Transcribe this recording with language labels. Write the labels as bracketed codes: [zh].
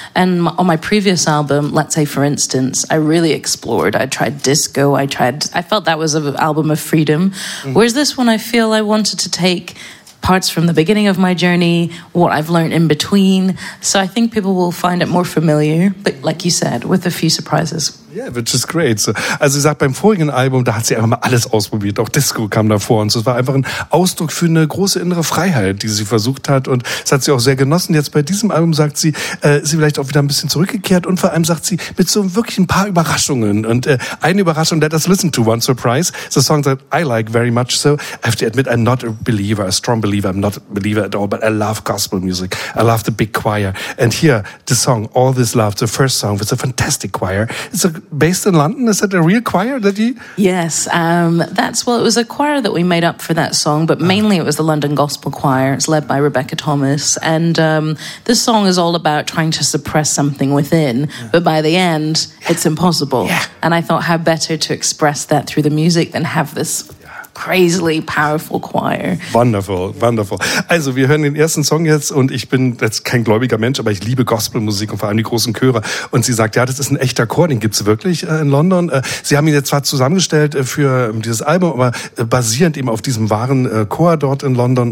[en] And on my previous album, let's say, for instance, I really explored. I tried disco. I felt that was an album of freedom. Mm. Whereas this one, I feel I wanted to take parts from the beginning of my journey, what I've learned in between. So I think people will find it more familiar, but like you said, with a few surprises. Yeah. Yeah, which is great. [de] So, also sie sagt, beim vorigen Album, da hat sie einfach mal alles ausprobiert. Auch Disco kam davor und so. Es war einfach ein Ausdruck für eine große innere Freiheit, die sie versucht hat. Und das hat sie auch sehr genossen. Jetzt bei diesem Album sagt sie, ist sie vielleicht auch wieder ein bisschen zurückgekehrt. Und vor allem sagt sie, mit so wirklich ein paar Überraschungen. Und eine Überraschung, [en] let us listen to one surprise. The song that I like very much. So I have to admit, I'm not a believer, a strong believer. I'm not a believer at all, but I love gospel music. I love the big choir. And here, the song, All This Love, the first song with a fantastic choir. It's based in London. Is that a real choir that you... Yes. It was a choir that we made up for that song, but mainly it was the London Gospel Choir. It's led by Rebecca Thomas. And this song is all about trying to suppress something within, but by the end, it's impossible. Yeah. And I thought, how better to express that through the music than have this... crazily powerful choir. Wonderful, wonderful. [de] Also, wir hören den ersten Song jetzt und ich bin jetzt kein gläubiger Mensch, aber ich liebe Gospelmusik und vor allem die großen Chöre. Und sie sagt, ja, das ist ein echter Chor, den gibt's wirklich in London. Sie haben ihn jetzt zwar zusammengestellt für dieses Album, aber basierend eben auf diesem wahren Chor dort in London.